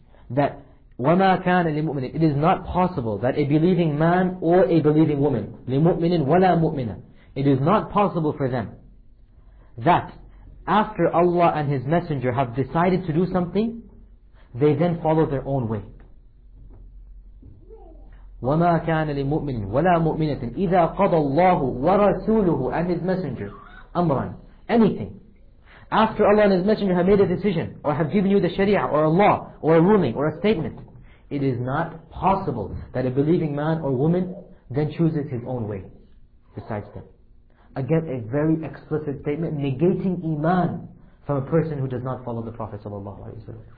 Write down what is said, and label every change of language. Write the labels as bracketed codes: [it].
[en] That [ar] وَمَا كَانَ لِمُؤْمِنٍ. [en] It is not possible that a believing man or a believing woman, [ar] لِمُؤْمِنٍ وَلَا مُؤْمِنًا. [en] It is not possible for them that after Allah and His Messenger have decided to do something, they then follow their own way. [ar] وَمَا كَانَ لِمُؤْمِنٍ وَلَا مُؤْمِنَةٍ إِذَا قَضَى اللَّهُ وَرَسُولُهُ [en] and His Messenger [ar] أَمْرًا. [en] Anything. After Allah and His Messenger have made a decision, or have given you the Sharia, or a law, or a ruling, or a statement, it is not possible that a believing man or woman then chooses his own way, besides them. Again, a very explicit statement, negating iman from a person who does not follow the Prophet ﷺ.